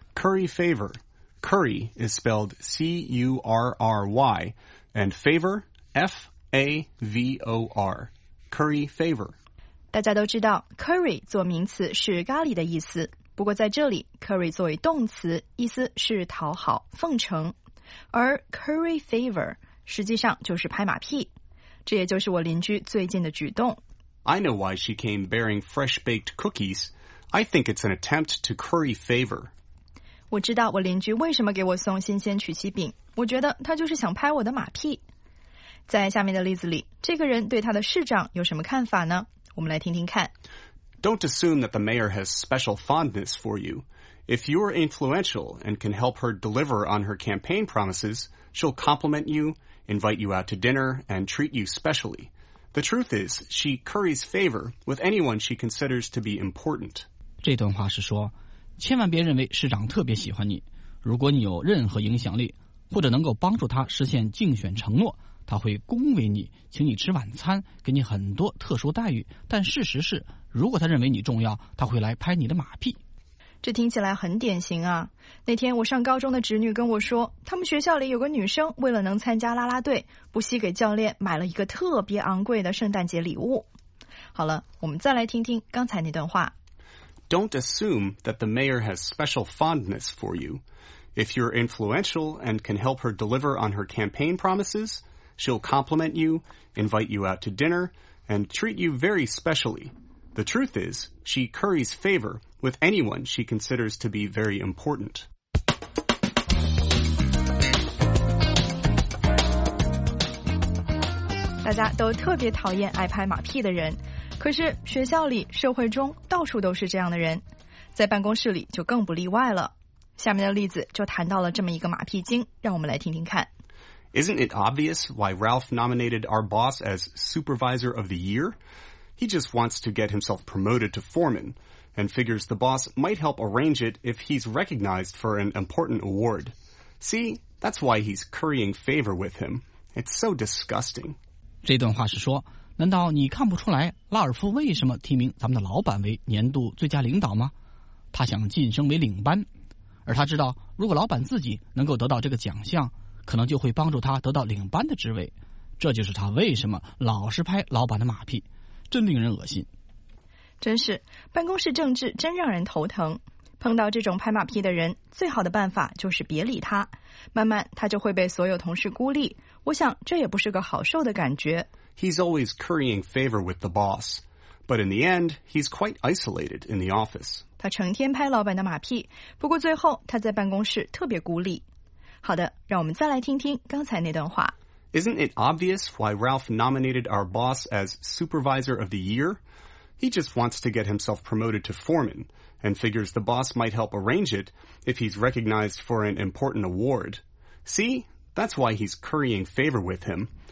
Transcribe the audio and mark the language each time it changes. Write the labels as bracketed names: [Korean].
[English] Curry favor. Curry is spelled C-U-R-R-Y and favor F-A-V-O-R. Curry favor. [Chinese] 大家都知道 curry 做名词是咖喱的意思，不过在这里 curry 作为动词意思是讨好、奉承，而 curry favor 实际上就是拍马屁。这也就是我邻居最近的举动。 [English] I know why she came bearing fresh baked cookies. I think it's an attempt to curry favor. [Chinese] 我知道我邻居为什么给我送新鲜曲奇饼，我觉得他就是想拍我的马屁。在下面的例子里，这个人对他的市长有什么看法呢？我们来听听看。 [English] Don't assume that the mayor has special fondness for you. If you're influential and can help her deliver on her campaign promises, she'll compliment you, invite you out to dinner, and treat you specially. The truth is, she curries favor with anyone she considers to be important. [Chinese] 这段话是说，千万别认为市长特别喜欢你。如果你有任何影响力，或者能够帮助他实现竞选承诺，他会恭维你，请你吃晚餐，给你很多特殊待遇。但事实是，如果他认为你重要，他会来拍你的马屁。这听起来很典型啊。那天我上高中的侄女跟我说，他们学校里有个女生为了能参加啦啦队，不惜给教练买了一个特别昂贵的圣诞节礼物。好了，我们再来听听刚才那段话。 [English] Don't assume that the mayor has special fondness for you. If you're influential and can help her deliver on her campaign promises,She'll compliment you, invite you out to dinner, and treat you very specially. The truth is, she curries favor with anyone she considers to be very important. [Chinese] 大家都特别讨厌爱拍马屁的人，可是学校里、社会中到处都是这样的人，在办公室里就更不例外了。下面的例子就谈到了这么一个马屁精，让我们来听听看。 [English] Isn't it obvious why Ralph nominated our boss as Supervisor of the Year? He just wants to get himself promoted to foreman, and figures the boss might help arrange it if he's recognized for an important award. See, that's why he's currying favor with him. It's so disgusting. [Chinese] 这段话是说，难道你看不出来拉尔夫为什么提名咱们的老板为年度最佳领导吗？他想晋升为领班，而他知道如果老板自己能够得到这个奖项，可能就会帮助他得到领班的职位，这就是他为什么老是拍老板的马屁，真令人恶心。真是，办公室政治真让人头疼。碰到这种拍马屁的人，最好的办法就是别理他，慢慢他就会被所有同事孤立，我想这也不是个好受的感觉。 [English] He's always currying favor with the boss, but in the end, he's quite isolated in the office. [Chinese] 他成天拍老板的马屁，不过最后他在办公室特别孤立。好的，让我们再来听听刚才那段话。 [English] Isn't it obvious why Ralph nominated our boss as Supervisor of the Year? He just wants to get himself promoted to foreman, and figures the boss might help arrange it if he's recognized for an important award. See, that's why he's currying favor with him.